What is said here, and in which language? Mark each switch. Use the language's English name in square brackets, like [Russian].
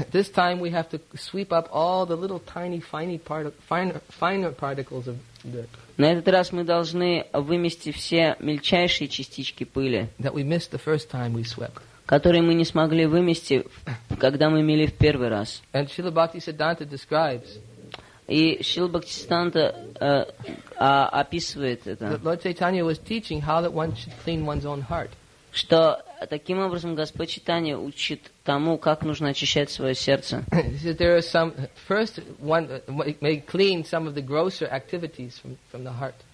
[English] This time we have to sweep up all the little tiny, finer particles of dirt. [Russian] На этот раз мы должны вымести все мельчайшие частички пыли, [English] that we missed the first time we swept, [Russian] которые мы не смогли вымести, когда мы мели в первый раз. [English] And Śrīla Bhaktisiddhānta describes, [Russian] и Śrīla Bhaktisiddhānta описывает это, [English] that Lord Chaitanya was teaching how that one should clean one's own heart. [Russian] что таким образом Господь Читания учит тому, как нужно очищать свое сердце. [English] There are some first one may clean some of the grosser activities from the heart.